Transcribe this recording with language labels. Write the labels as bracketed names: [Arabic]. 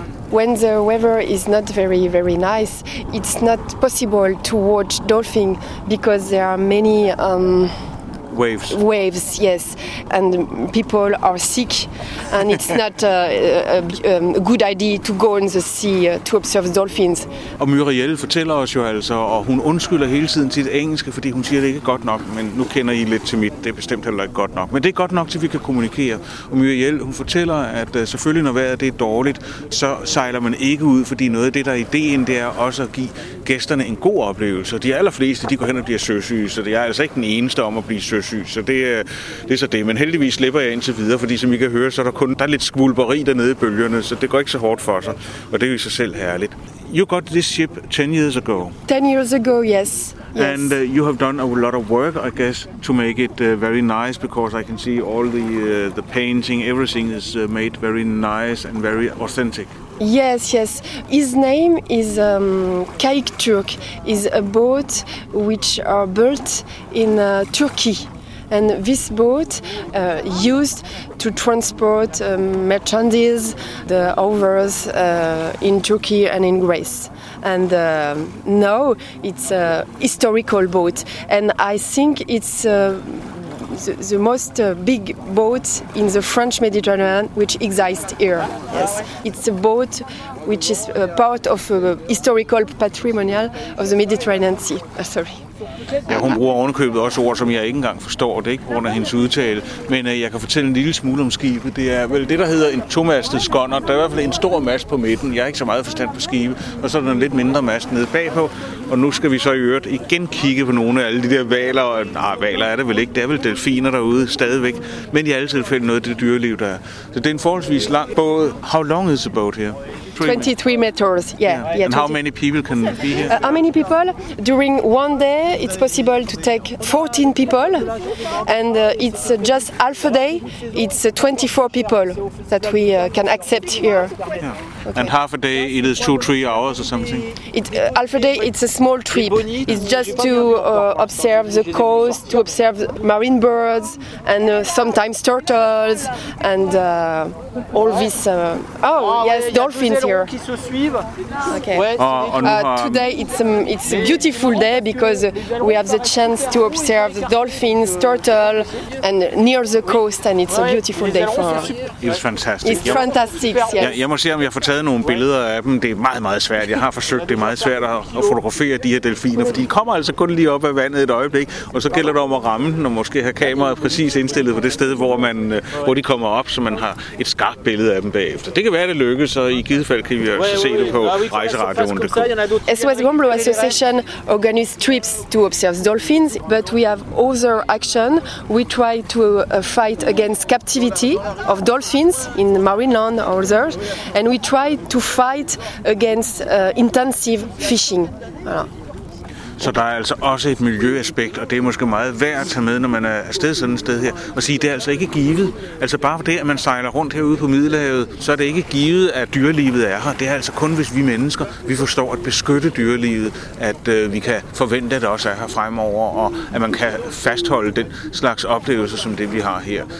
[English] When the weather is not very, very nice, it's not possible to watch dolphins because there are many Waves, yes, and people are sick, and it's not a good idea to go in the sea to observe dolphins. [Danish] Og Muriel fortæller os jo altså, og hun undskylder hele tiden sit engelske, fordi hun siger, det ikke er godt nok, men nu kender I lidt til mit, det er bestemt heller ikke godt nok. Men det er godt nok, til vi kan kommunikere. Og Muriel, hun fortæller, at selvfølgelig, når vejret det er dårligt, så sejler man ikke ud, fordi noget af det, der er ideen, det er også at give gæsterne en god oplevelse. De allerfleste, de går hen og bliver søsyge, så det er altså ikke den eneste om at blive søsyg, så det er så det. Men heldigvis slipper jeg indtil videre, fordi som I kan høre, så er der kun lidt skvulperi dernede i bølgerne, så det går ikke så hårdt for sig, og det er jo i sig selv herligt. [English] You got this ship 10 years ago. 10 years ago, yes. And you have done a lot of work, I guess, to make it very nice, because I can see all the painting, everything is made very nice and very authentic. Yes, yes. His name is Kayık Türk. It's a boat which are built in Turkey. And this boat used to transport merchandise, the overs in Turkey and in Greece. And now it's a historical boat. And I think it's the most big boat in the French Mediterranean, which exists here. Yes, it's a boat which is part of a historical patrimonial of the Mediterranean Sea. Sorry. [Danish] Ja, hun bruger ovenkøbet også ord, som jeg ikke engang forstår. Det er ikke på grund af hendes udtale. Men jeg kan fortælle en lille smule om skibet. Det er vel det, der hedder en tomastet skonner. Der er i hvert fald en stor mast på midten. Jeg har ikke så meget forstand på skibet. Og så er der en lidt mindre mast nede bagpå. Og nu skal vi så i øvrigt igen kigge på nogle af alle de der valer. Nej, valer er det vel ikke. Det er vel delfiner derude stadigvæk. Men i alle tilfælde noget af det dyreliv, der er. Så det er en forholdsvis lang båd. [English] How long is the boat here? 23 meters. Yeah. Yeah. And how many people can be here? How many people? During one day, it's possible to take 14 people, and it's just half a day. It's 24 people that we can accept here. Yeah. Okay. And half a day, it is 2-3 hours or something. Half a day, it's a small trip. It's just to observe the coast, to observe marine birds, and sometimes turtles, and all this. Oh yes, dolphins. Here. Okay. Today it's a beautiful day because we have the chance to observe the dolphins, turtle, and near the coast, and it's a beautiful day for. It's fantastic. It's fantastic. Yes. [Danish] Jeg må se om jeg får taget nogle billeder af dem. Det er meget meget svært. Jeg har forsøgt. Det er meget svært at fotografere de her delfiner, for de kommer altså kun lige op af vandet et øjeblik, og så gælder det om at ramme dem og måske have kameraet præcis indstillet på det sted, hvor de kommer op, så man har et skarpt billede af dem bagefter. Det kan være det lykkes, og i givet fald kan vi også se det på rejseradioen.dk. [English] SOS Gombrou Association organizes trips to observe dolphins, but we have other action. We try to fight against captivity of dolphins in marine land or others, and we try to fight against intensive fishing. [Danish] Så der er altså også et miljøaspekt, og det er måske meget værd at tage med, når man er afsted sådan et sted her, og sige, at det er altså ikke givet. Altså bare for det, at man sejler rundt herude på Middelhavet, så er det ikke givet, at dyrelivet er her. Det er altså kun, hvis vi mennesker, vi forstår at beskytte dyrelivet, at vi kan forvente, at det også er her fremover, og at man kan fastholde den slags oplevelser, som det vi har her.